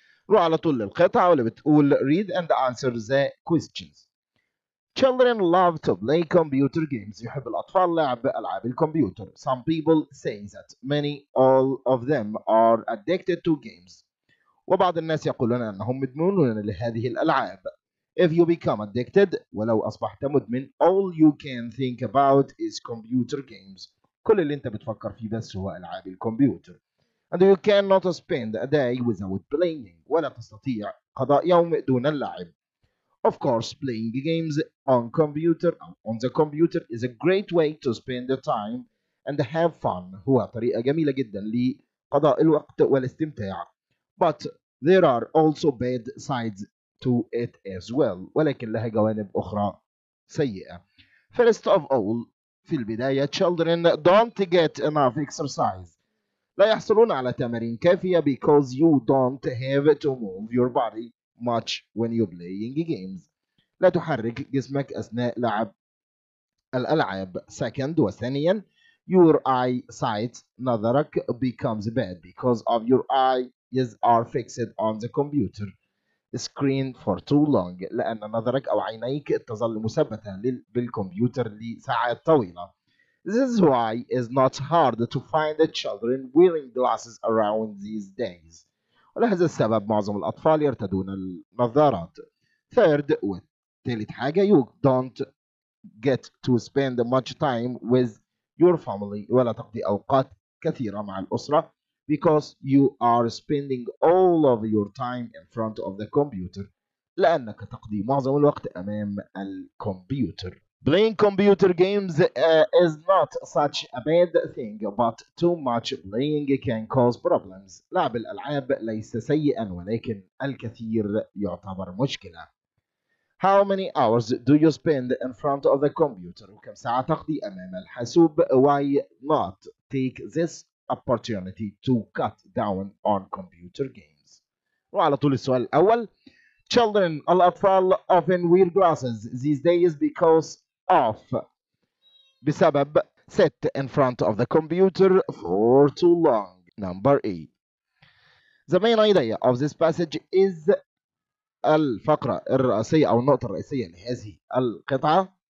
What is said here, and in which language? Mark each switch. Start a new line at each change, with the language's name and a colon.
Arabic: روح على طول للقطعة واللي بتقول
English: read and answer the questions. Children love to play computer games.
Arabic: يحب الأطفال لعب ألعاب الكمبيوتر.
English: Some people say that many all of them are addicted to games.
Arabic: وبعض الناس يقولون أنهم مدمنون لهذه الألعاب.
English: If you become addicted,
Arabic: ولو أصبحت مدمن,
English: all you can think about is computer games.
Arabic: كل اللي أنت بتفكر فيه بس هو ألعاب الكمبيوتر.
English: And you cannot spend a day without playing.
Arabic: ولا تستطيع قضاء يوم دون اللعب.
English: Of course, playing games on computer on the computer is a great way to spend the time and have fun.
Arabic: هو طريقة جميلة جدا لقضاء الوقت والاستمتاع.
English: But there are also bad sides to it as well.
Arabic: ولكن لها جوانب أخرى سيئة.
English: First of all,
Arabic: في البداية,
English: children don't get enough exercise.
Arabic: لا يحصلون على تمارين كافية
English: because you don't have to move your body much when you're playing games.
Arabic: لا تحرك جسمك أثناء لعب الألعاب.
English: Second,
Arabic: وثانيا,
English: your eyesight,
Arabic: نظرك
English: becomes bad because of your eyes are fixed on the computer screen for too long.
Arabic: لأن نظرك أو عينيك تظل مثبتة بالكمبيوتر لساعات طويلة.
English: This is why it's not hard to find the children wearing glasses around these days.
Arabic: ولهذا السبب معظم الأطفال يرتدون النظارات.
English: Third,
Arabic: وتالت حاجة,
English: you don't get to spend much time with your family.
Arabic: ولا تقضي أوقات كثيرة مع الأسرة
English: because you are spending all of your time in front of the computer.
Arabic: لأنك تقضي معظم الوقت أمام الكمبيوتر.
English: Playing computer games is not such a bad thing, but too much playing can cause problems.
Arabic: لعب الألعاب ليس سيئا، ولكن الكثير يعتبر مشكلة.
English: How many hours do you spend in front of the computer?
Arabic: كم ساعة تقضي أمام الحاسوب؟
English: Why not take this opportunity to cut down on computer games?
Arabic: وعلى طول السؤال الأول.
English: Children,
Arabic: الأطفال
English: often wear glasses these days because off
Arabic: بسبب
English: sit in front of the computer for too long. Number A. The main idea of this passage is
Arabic: الفقرة الرئيسية أو النقطة الرئيسية لهذه القطعة.